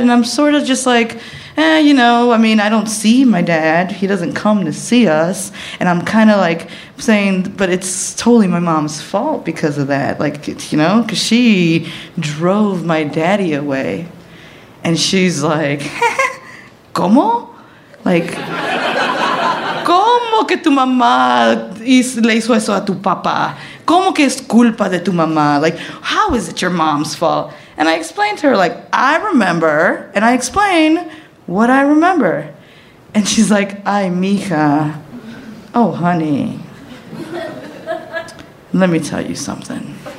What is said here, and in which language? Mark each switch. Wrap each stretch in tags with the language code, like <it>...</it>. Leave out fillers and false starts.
<en>And I'm sort of just like, eh, you know, I mean, I don't see my dad. He doesn't come to see us. And I'm kind of like saying, but it's totally my mom's fault because of that. Like, you know, because she drove my daddy away. And she's like,</en> <es>¿cómo? Like, ¿cómo que tu mamá le hizo eso a tu papá? ¿Cómo que es culpa de tu mamá?</es> <en>Like, how is it your mom's fault? And I explained to her, like, I remember, and I explain what I remember. And she's like,</en> <es>ay, mija,</es> <en>oh, honey, let me tell you something.</en>